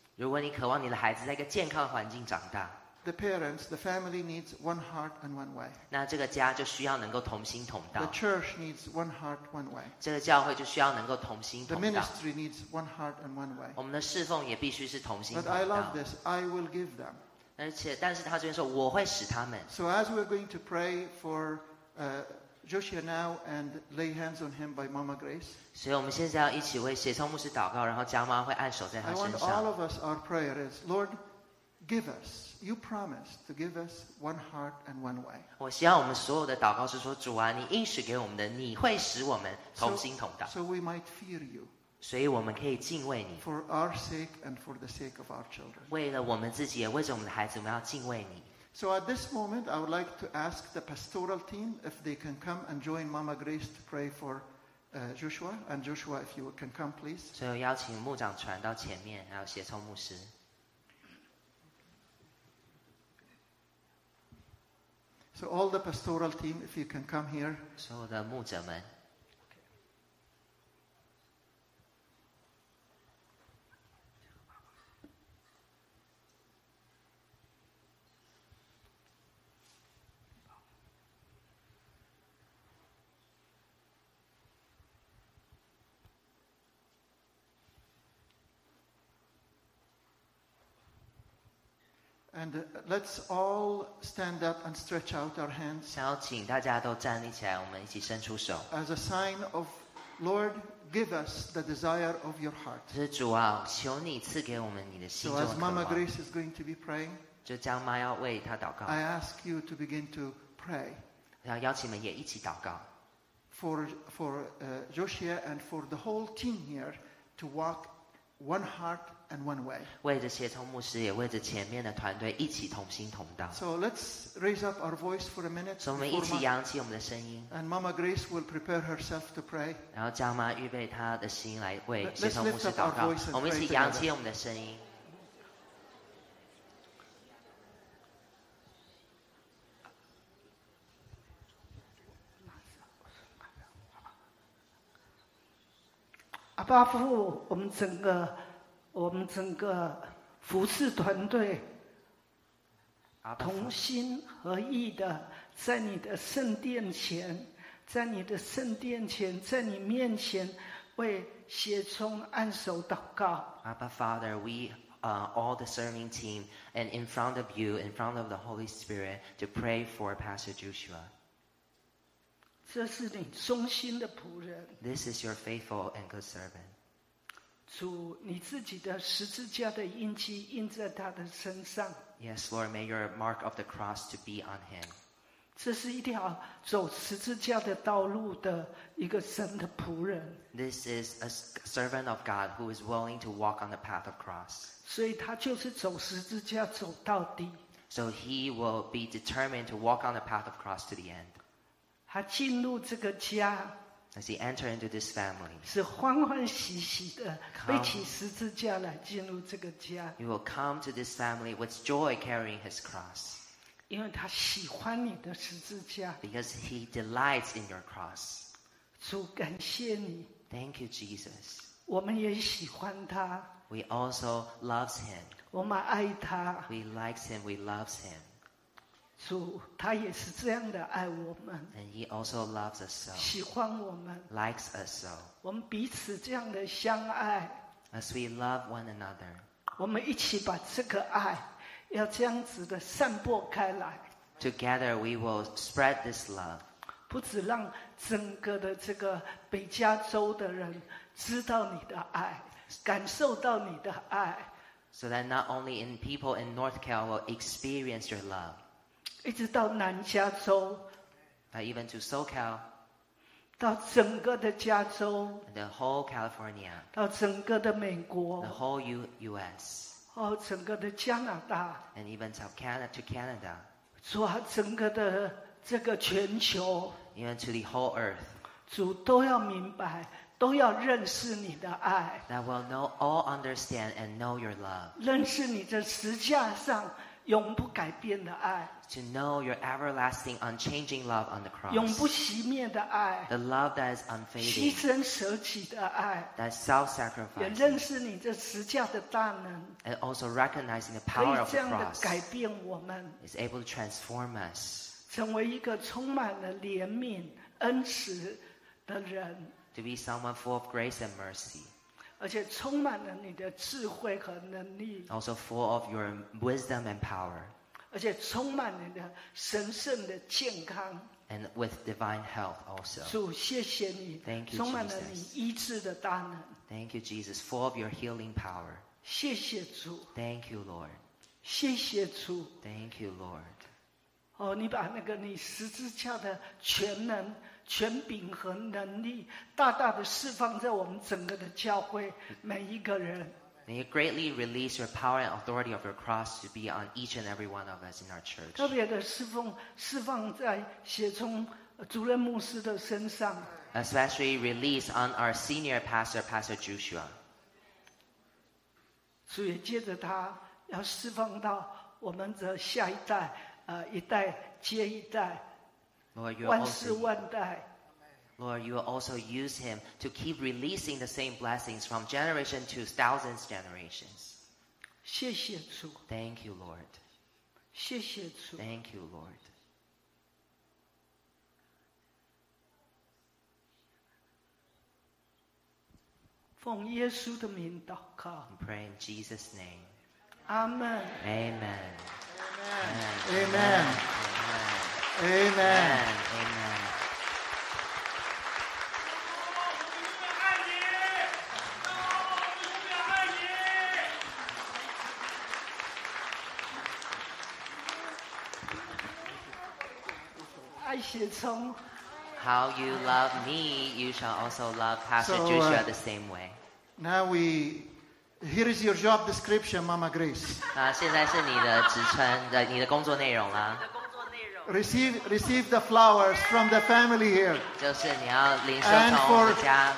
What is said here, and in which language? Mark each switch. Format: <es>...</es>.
<zh>如果你渴望你的孩子在一个健康的环境长大</zh> <en>，the parents, the family needs one heart and one way.</en> <zh>那这个家就需要能够同心同道。</zh> <en>The church needs one heart, one way.</en> <zh>这个教会就需要能够同心同道。</zh> <en>The ministry needs one heart and one way.</en> <zh>我们的侍奉也必须是同心同道。</zh> <en>But I love this. I will give them.</en> <zh>而且，但是他这边说我会使他们。</zh> <en>So as we're going to pray for Joshua now and lay hands on him by Mama Grace.</en> <zh>所以我们现在要一起为协同牧师祷告，然后家妈会按手在他身上。</zh> <en>I want all of us. Our prayer is, Lord, give us. You promised to give us one heart and one way.</en> <zh>我希望我们所有的祷告是说，主啊，你应许给我们的，你会使我们同心同道。</zh> <en>So we might fear you.</en> <zh>所以我们可以敬畏你。</zh> <en>For our sake and for the sake of our children.</en> <zh>为了我们自己，也为着我们的孩子，我们要敬畏你。</zh> <en>So at this moment, I would like to ask the pastoral team if they can come and join Mama Grace to pray for Joshua. And Joshua, if you can come, please.</en> <zh>所以邀请牧长传到前面，还有协同牧师。</zh> <en>So all the pastoral team, if you can come here.</en> <zh>所有的牧者们。</zh> <en>And let's all stand up and stretch out our hands.</en> <zh>想要请大家都站立起来，我们一起伸出手。</zh> <en>As a sign of, Lord, give us the desire of your heart.</en> <zh>是主啊，求你赐给我们你的心中的渴望。</zh> <en>So as Mama Grace is going to be praying,</en> <zh>就将妈要为她祷告。</zh> <en>I ask you to begin to pray.</en> <zh>然后邀请们也一起祷告。</zh> <en>for Joshua and for the whole team here to walk one heart and one way.</en> <zh>为着协同牧师，也为着前面的团队，一起同心同道。</zh> <en>So let's raise up our voice for a minute.</en> <zh>所以我们一起扬起我们的声音。</zh> <en>And Mama Grace will prepare herself to pray.</en> <zh>然后张妈预备她的心来为协同牧师祷告。我们一起扬起我们的声音。阿爸父，我们整个服事团队同心合意的在你的圣殿前，在你的圣殿前，在你面前为协同按手祷告。</zh> <en>Abba Father, we all the serving team and in front of you, in front of the Holy Spirit, to pray for Pastor Joshua.</en> <zh>这是你忠心的仆人。</zh> <en>This is your faithful and good servant.</en> <zh>主，你自己的十字架的印记印在他的身上。</zh> <en>Yes, Lord, may your mark of the cross to be on him.</en> <zh>这是一条走十字架的道路的一个神的仆人。</zh> <en>This is a servant of God who is willing to walk on the path of cross.</en> <zh>所以他就是走十字架走到底。</zh> <en>So he will be determined to walk on the path of cross to the end.</en> <zh>他进入这个家</zh> <en>as he enter into this family,</en> <zh>是欢欢喜喜的背起十字架来进入这个家。</zh> <en>He will come to this family with joy carrying his cross.</en> <zh>因为他喜欢你的十字架。</zh> <en>Because he delights in your cross.</en> <zh>主，感谢你。</zh> <en>Thank you, Jesus.</en> <zh>我们也喜欢他。</zh> <en>We also loves him.</en> <zh>我们爱他。</zh> <en>We likes him, we loves him.</en> <zh>主，他也是这样的爱我们。</zh> <en>And he also loves us so.</en> <zh>喜欢我们。</zh> <en>Likes us so.</en> <zh>我们彼此这样的相爱。</zh> <en>As we love one another.</en> <zh>我们一起把这个爱，要这样子的散播开来。</zh> <en>Together we will spread this love.</en> <zh>不只让整个的这个北加州的人知道你的爱，感受到你的爱。</zh> <en>So that not only in people in North Carolina will experience your love.</en> <zh>一直到南加州</zh> <en>even to SoCal,</en> <zh>到整个的加州</zh> <en>the whole California,</en> <zh>到整个的美国</zh> <en>the whole US,</en> <zh>到整个的加拿大</zh> <en>and even to Canada,</en> <zh>主啊，整个的这个全球</zh> <en>even to the whole earth,</en> <zh>主都要明白都要认识你的爱</zh> <en>that will know all understand and know your love,</en> <zh>认识你这十架上永不改变的爱</zh> <en>to know your everlasting unchanging love on the cross</en> <zh>永不熄灭的爱</zh> <en>the love that is unfading</en> <zh>牺牲舍己的爱</zh> <en>that self-sacrifice</en> <zh>也认识你这十架的大能</zh> <en>and also recognizing the power of the cross</en> <zh>可以这样的改变我们</zh> <en>is able to transform us</en> <zh>成为一个充满了怜悯恩慈的人</zh> <en>to be someone full of grace and mercy</en> <zh>而且充满了你的智慧和能力</zh> <en>also full of your wisdom and power</en> <zh>而且充满了你的神圣的健康</zh> <en>and with divine health also</en> <zh>主谢谢你</zh> <en>thank you</en> <zh>充满了你医治的大能</zh> <en>thank you Jesus full of your healing power</en> <zh>谢谢主</zh> <en>thank you Lord</en> <zh>谢谢主</zh> <en>thank you Lord</en> <zh>哦，你把那个你十字架的全能权柄和能力大大的释放在我们整个的教会每一个人</zh> <en>May you greatly release your power and authority of your cross to be on each and every one of us in our church</en> <zh>特别的释放在协同主任牧师的身上</zh> <en>Especially release on our senior pastor, Pastor Joshua</en> <zh>主也借着他要释放到我们的下一代一代接一代</zh> <en>Lord, you also,</en> <zh>万世万代</zh> <en>Lord, you will also use him to keep releasing the same blessings from generation to thousands of generations.</en> <zh>谢谢主</zh> <en>Thank you, Lord.</en> <zh>谢谢主</zh> <en>Thank you, Lord.</en> <zh>奉耶稣的名祷告</zh> <en>I pray in Jesus' name. Amen. Amen. Amen. Amen. Amen. Amen. Amen. Amen. Amen. Amen. How you love me, you shall also love Pastor Joshua the same way. Now we, here is your job description, Mama Grace.</en> <zh>现在是你的职称的你的工作内容啦。</zh> <en>Receive the flowers from the family here.</en> <zh>就是你要领受从我们家</zh>